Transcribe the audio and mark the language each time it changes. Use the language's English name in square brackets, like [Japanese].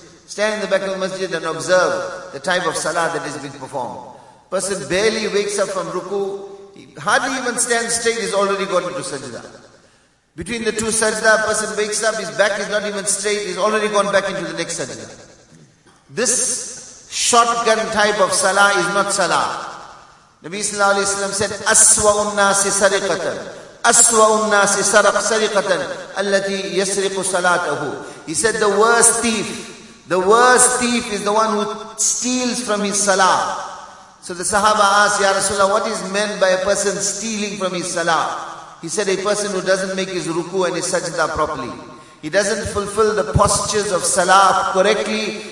[English] Stand in the back of the masjid and observe the type of salah that is being performed. Person barely wakes up from ruku, he hardly even stands straight, he's already got into sajda. Between the two sajda, person wakes up, his back is not even straight, he's already gone back into the next sajda. This shotgun type of salah is not salah. [Arabic] Nabi sallallahu alayhi wa sallam said, أَسْوَأُ النَّاسِ سَرِقَةً أَسْوَأُ النَّاسِ سَرِقَةً أَلَّتِي يَسْرِقُ صَلَاتَهُ. [English] He said, the worst thief is the one who steals from his salah. So the sahaba asked, Ya Rasulullah, what is meant by a person stealing from his salah? He said, a person who doesn't make his ruku and his sajda properly. He doesn't fulfill the postures of salah correctly.